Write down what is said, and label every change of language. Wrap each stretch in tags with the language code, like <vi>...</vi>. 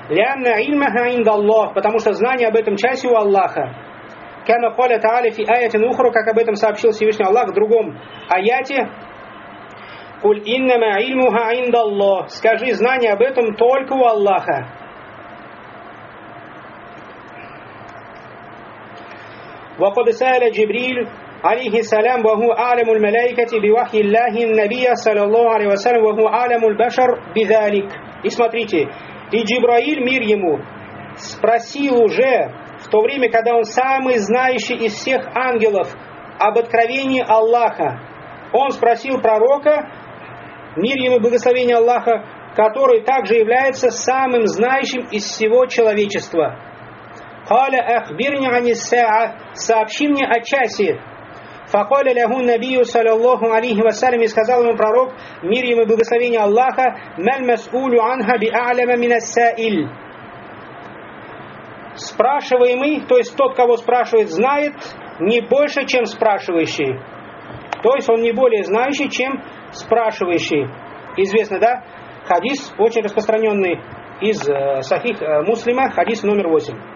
<ar>«Лианна ильмаха инда Аллах»,</ar> <ru>потому что знание об этом часе у Аллаха.</ru> <ar>«Кама каля таали фи аятин ухру»,</ar> <ru>как об этом сообщил Всевышний Аллах в другом аяте.</ru> <ar>«Куль иннама ильмуха инда Аллах»,</ar> <ru>скажи, знание об этом только у Аллаха.</ru> <ar>وقد سأل جبريل عليه السلام وهو أعلم الملائكة بوحي الله النبي صلى الله عليه وسلم وهو أعلم البشر بذلك.</ar> <ru>И смотрите, и Джибраил, мир ему, спросил уже в то время, когда он самый знающий из всех ангелов, об откровении Аллаха. Он спросил пророка, мир ему, благословение Аллаха, который также является самым знающим из всего человечества.</ru> <ar>قَالَ أَخْبِرْنِ عَنِ السَّاعَةِ,</ar> <ru>сообщи мне о часе.</ru> <ar>فَقَالَ لَهُ النَّبِيُّ صَلَى اللَّهُ عَلَيْهِ وَسَلَمْ,</ar> <ru>и сказал ему пророк, мир ему и благословение Аллаха,</ru> <ar>مَلْ مَسْئُولُ عَنْهَ بِأَعْلَمَ مِنَ السَّائِلِ,</ar> <ru>спрашиваемый, то есть тот, кого спрашивает, знает не больше, чем спрашивающий. То есть он не более знающий, чем спрашивающий. Известный, да? Хадис, очень распространенный из сахих муслима, хадис номер 8.</ru>